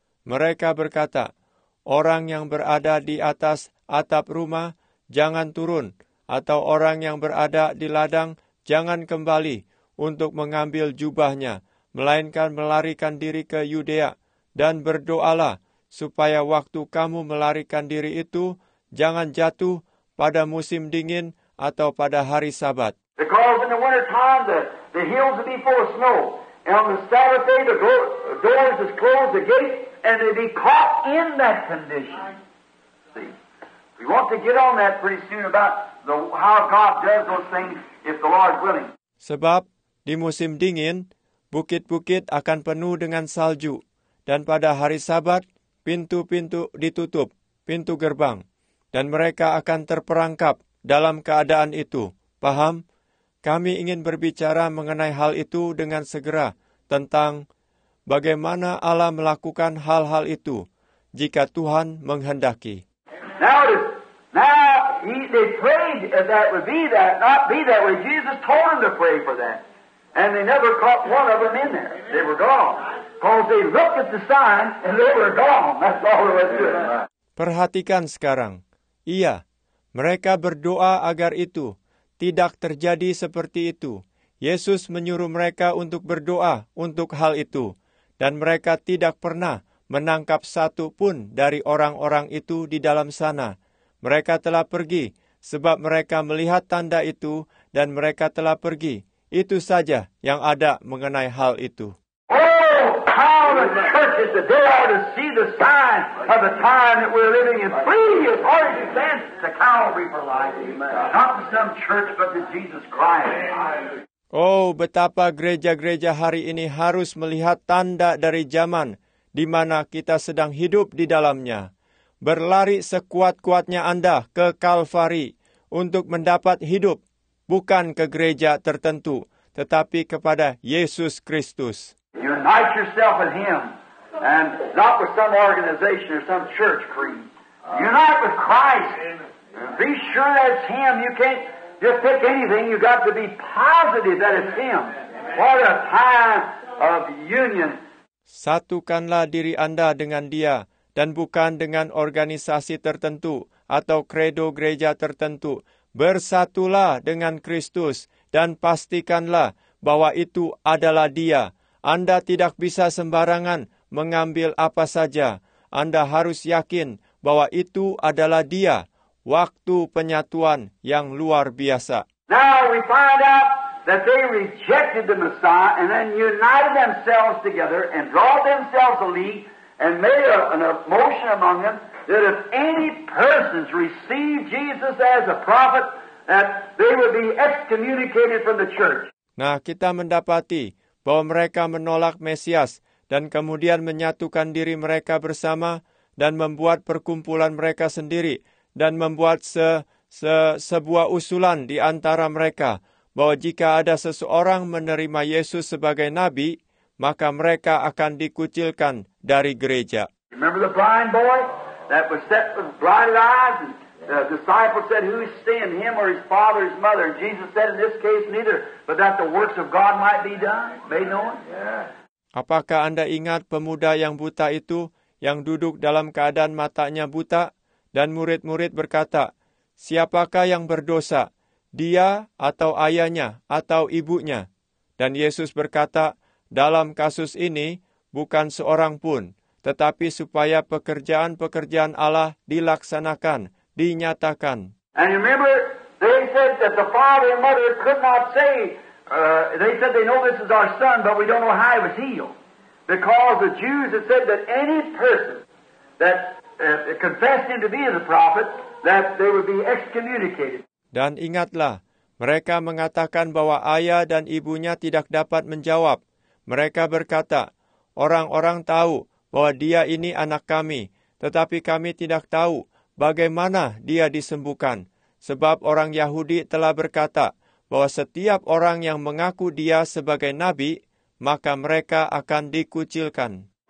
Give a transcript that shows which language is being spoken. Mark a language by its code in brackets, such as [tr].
[id] Mereka berkata, orang yang berada di atas atap rumah, jangan turun, atau orang yang berada di ladang, jangan kembali untuk mengambil jubahnya, melainkan melarikan diri ke Yudea, dan berdoalah supaya waktu kamu melarikan diri itu, jangan jatuh pada musim dingin, atau pada hari Sabat. [en] Because in the wintertime, the hills would be full of snow. And on the Sabbath day, the doors would close, the gates, and they'd be caught in that condition. See, we want to get on that pretty soon about how God does those things if the Lord's willing. [id] Sebab di musim dingin, bukit-bukit akan penuh dengan salju, dan pada hari Sabat, pintu-pintu ditutup, pintu gerbang, dan mereka akan terperangkap dalam keadaan itu. Paham? Kami ingin berbicara mengenai hal itu dengan segera, tentang bagaimana Allah melakukan hal-hal itu, jika Tuhan menghendaki. [en] They prayed that would be that, not be that way. Jesus told them to pray for that. And they never caught one of them in there. Amen. They were gone. Because they looked at the sign and they were gone. That's all there was to it. [id] Perhatikan sekarang. Iya, mereka berdoa agar itu tidak terjadi seperti itu. Yesus menyuruh mereka untuk berdoa untuk hal itu. Dan mereka tidak pernah menangkap satu pun dari orang-orang itu di dalam sana. Mereka telah pergi, sebab mereka melihat tanda itu, dan mereka telah pergi. Itu saja yang ada mengenai hal itu. [en] Oh, how the church is today ought to see the sign of the time that we're living in. Free as far as you can, to Calvary for life. Not some church, but to Jesus Christ. [id] Oh, betapa gereja-gereja hari ini harus melihat tanda dari zaman di mana kita sedang hidup di dalamnya. Berlari sekuat-kuatnya Anda ke Kalvari untuk mendapat hidup, bukan ke gereja tertentu, tetapi kepada Yesus Kristus. [en] Unite yourself with Him, and not with some organization or some church creed. Unite with Christ. Be sure that's Him. You can't just pick anything. You got to be positive that it's Him. What a time of union. [id] Satukanlah diri Anda dengan Dia. Dan bukan dengan organisasi tertentu atau kredo gereja tertentu. Bersatulah dengan Kristus dan pastikanlah bahwa itu adalah Dia. Anda tidak bisa sembarangan mengambil apa saja. Anda harus yakin bahwa itu adalah Dia. Waktu penyatuan yang luar biasa. [en] Now we find out that they rejected the Messiah and then united themselves together and draw themselves a league. And made a motion among them that if any persons received Jesus as a prophet, that they would be excommunicated from the church. [id] Nah, kita mendapati bahwa mereka menolak Mesias dan kemudian menyatukan diri mereka bersama dan membuat perkumpulan mereka sendiri dan membuat sebuah usulan di antara mereka bahwa jika ada seseorang menerima Yesus sebagai nabi, maka mereka akan dikucilkan dari gereja. [en] Remember the blind boy that was set with blind eyes? And the disciples said, "Who is sin, him or his father, his mother?" And Jesus said, "In this case, neither, but that the works of God might be done." Made known. [id] Apakah Anda ingat pemuda yang buta itu, yang duduk dalam keadaan matanya buta, dan murid-murid berkata, "Siapakah yang berdosa, dia atau ayahnya atau ibunya?" Dan Yesus berkata, dalam kasus ini, bukan seorang pun, tetapi supaya pekerjaan-pekerjaan Allah dilaksanakan, dinyatakan. [en] And remember, they said that the father and mother could not say, they said they know this is our son, but we don't know how he was healed. Because the Jews had said that any person that confessed him to be the prophet, that they would be excommunicated. [id] Dan ingatlah, mereka mengatakan bahwa ayah dan ibunya tidak dapat menjawab. Mereka berkata, orang-orang tahu bahwa dia ini anak kami, tetapi kami tidak tahu bagaimana dia disembuhkan. Sebab orang Yahudi telah berkata bahwa setiap orang yang mengaku dia sebagai nabi, maka mereka akan dikucilkan.